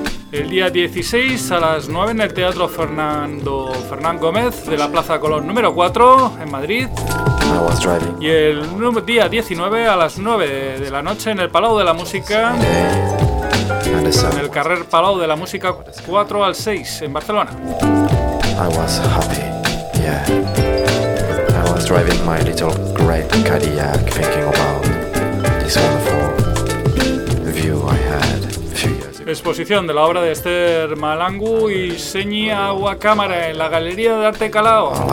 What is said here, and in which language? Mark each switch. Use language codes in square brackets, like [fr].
[es] El día 16 a las 9 en el Teatro Fernán Gómez de la Plaza Colón número 4 en Madrid. Y el día 19 a las 9 de la noche en el Palau de la Música, en el carrer Palau de la Música 4 al 6 en Barcelona. [en] I was happy, yeah. I was driving my little gray Cadillac thinking about this wonderful view I had a few years ago. [es] Exposición de la obra de Esther Malangu y Señi Aguacámara en la Galería de Arte Calao.